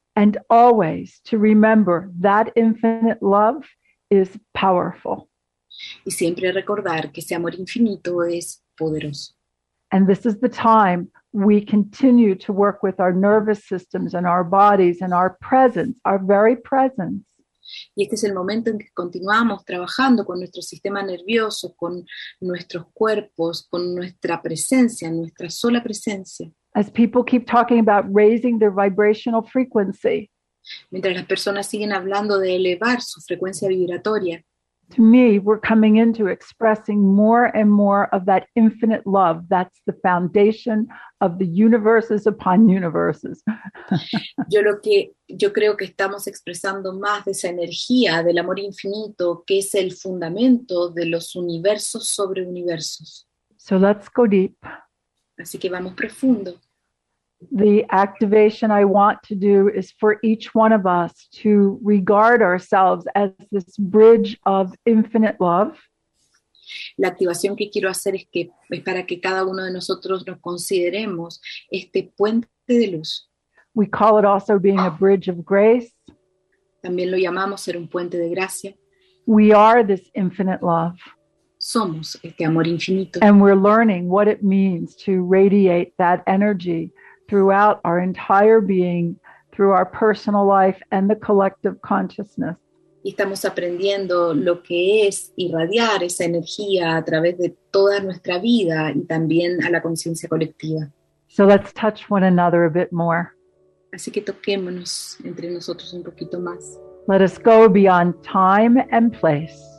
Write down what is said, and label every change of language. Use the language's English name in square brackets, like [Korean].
[English] And always to remember that infinite love is powerful. [Spanish] Y siempre recordar que ese amor infinito es poderoso. [English] And this is the time we continue to work with our nervous systems and our bodies and our presence, our very presence. [Spanish] Y este es el momento en que continuamos trabajando con nuestro sistema nervioso, con nuestros cuerpos, con nuestra presencia, nuestra sola presencia. [English] As people keep talking about raising their vibrational frequency. [Spanish] Mientras las personas siguen hablando de elevar su frecuencia vibratoria. [English] To me, we're coming into expressing more and more of that infinite love. That's the foundation of the universes upon universes. [Spanish] Yo creo que estamos expresando más de esa energía del amor infinito que es el fundamento de los universos sobre universos. [English] So let's go deep. [Spanish] Así que vamos profundo. [English] The activation I want to do is for each one of us to regard ourselves as this bridge of infinite love. [Spanish] La activación que quiero hacer es que es para que cada uno de nosotros nos consideremos este puente de luz. [English] We call it also being a bridge of grace. [Spanish] También lo llamamos ser un puente de gracia. [English] We are this infinite love. [Spanish] Somos este amor infinito. [English] And we're learning what it means to radiate that energy throughout our entire being, through our personal life and the collective consciousness. [Spanish] Y estamos aprendiendo lo que es irradiar esa energía a través de toda nuestra vida y también a la conciencia colectiva. [English] So let's touch one another a bit more. [Spanish] Así que toquémonos entre nosotros un poquito más. [English] Let us go beyond time and place.